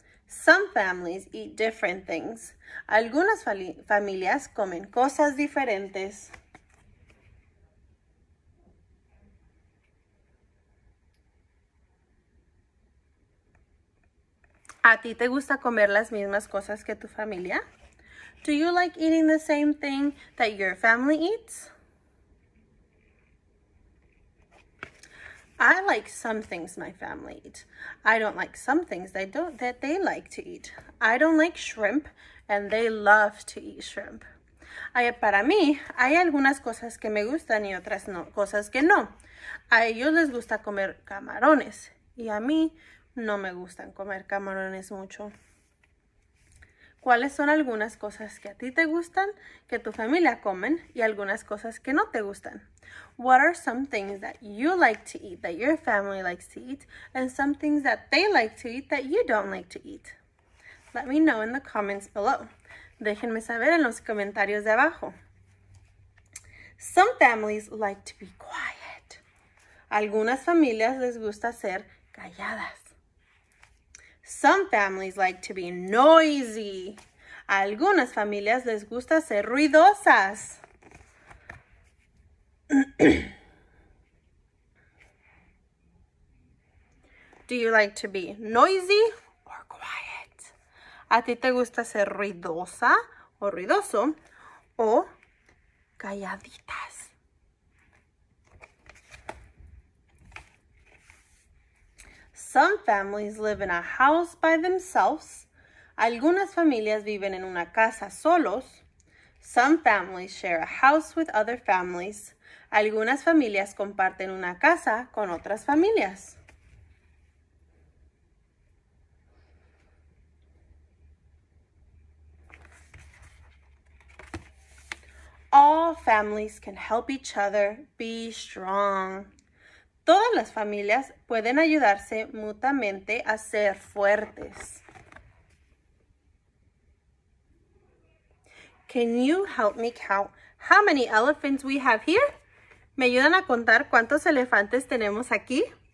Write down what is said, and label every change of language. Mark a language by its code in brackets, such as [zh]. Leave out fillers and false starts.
[en] Some families eat different things. [es] Algunas familias comen cosas diferentes. ¿A ti te gusta comer las mismas cosas que tu familia? [en] Do you like eating the same thing that your family eats? I like some things my family eat. I don't like some things that they like to eat. I don't like shrimp, and they love to eat shrimp. [es] Para mí, hay algunas cosas que me gustan y otras no, cosas que no. A ellos les gusta comer camarones, y a mí no me gustan comer camarones mucho. ¿Cuáles son algunas cosas que a ti te gustan, que tu familia comen, y algunas cosas que no te gustan? [en] What are some things that you like to eat, that your family likes to eat, and some things that they like to eat that you don't like to eat? Let me know in the comments below. [es] Déjenme saber en los comentarios de abajo. [en] Some families like to be quiet. [es] Algunas familias les gusta ser calladas. [en] Some families like to be noisy. [es] Algunas familias les gusta ser ruidosas. [en] Do you like to be noisy or quiet? [es] ¿A ti te gusta ser ruidosa o ruidoso o calladitas? [en] Some families live in a house by themselves. [es] Algunas familias viven en una casa solos. [en] Some families share a house with other families. [es] Algunas familias comparten una casa con otras familias. [en] All families can help each other be strong. [es] Todas las familias pueden ayudarse mutuamente a ser fuertes. [en] Can you help me count how many elephants we have here? [es] ¿Me ayudan a contar cuántos elefantes tenemos aquí?